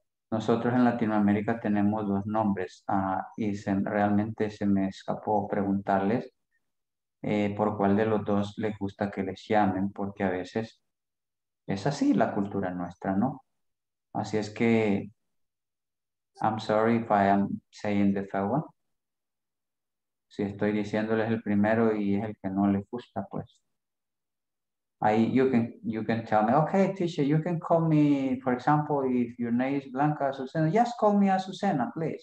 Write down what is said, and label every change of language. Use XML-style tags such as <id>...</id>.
<es>Nosotros en Latinoamérica tenemos dos nombres y realmente se me escapó preguntarles por cuál de los dos les gusta que les llamen, porque a veces es así la cultura nuestra, ¿no? Así es que,</es> <en>I'm sorry if I am saying the third one.</en> <es>Si estoy diciéndoles el primero y es el que no les gusta, pues.</es> <en>I, you can tell me, okay, teacher, you can call me, for example, if your name is Blanca Azucena, just call me Azucena, please.</en>